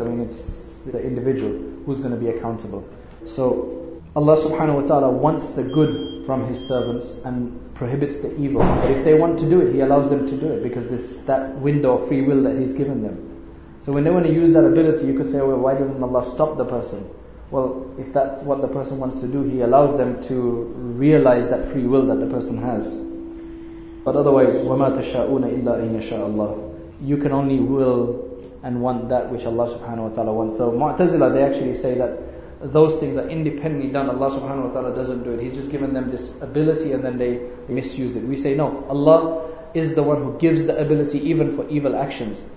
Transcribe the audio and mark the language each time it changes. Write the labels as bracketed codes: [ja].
[en] I mean, it's the individual who's going to be accountable. So Allah subhanahu wa ta'ala wants the good from His servants and prohibits the evil. But if they want to do it, He allows them to do it, because this that window of free will that He's given them. So when they want to use that ability, you could say, well, why doesn't Allah stop the person? Well, if that's what the person wants to do, He allows them to realize that free will that the person has. But otherwise, [ar] وَمَا تَشَاءُونَ إِلَّا أَن يَشَاءَ اللَّهُ. [en] You can only will and want that which Allah subhanahu wa ta'ala wants. So Mu'tazila, they actually say that those things are independently done. Allah subhanahu wa ta'ala doesn't do it. He's just given them this ability and then they misuse it. We say, no, Allah is the one who gives the ability even for evil actions.